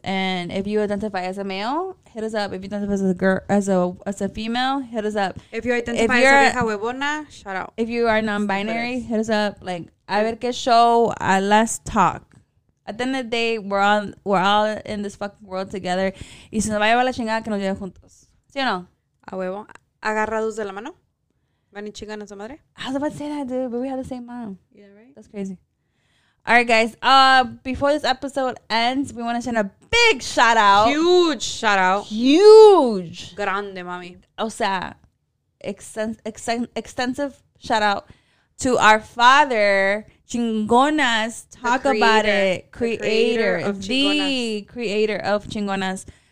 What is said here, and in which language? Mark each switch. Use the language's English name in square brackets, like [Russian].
[English] And if you identify as a male, hit us up. If you identify as a girl, as a female, hit us up. If you identify as a [Spanish] vieja huevona, [English] shout out. If you are non-binary, hit us up. Like, [Spanish] a ver qué show, [English] let's talk. At the end of the day, we're all in this fucking world together. [Spanish] Y si nos va a llevar la chingada, que nos lleve juntos. ¿Sí o no? A huevo. Agarrados de la mano. Van y chingan a su madre. [English] I was about to say that, dude, but we have the same mom. Yeah, right? That's crazy. All right, guys. Before this episode ends, we want to send a big shout out. Huge shout out. Huge. [Spanish] Grande, mami. [English] O sea, extensive shout out to our father, Chingonas. Talk about it. Creator of Chingonas. The creator of Chingonas.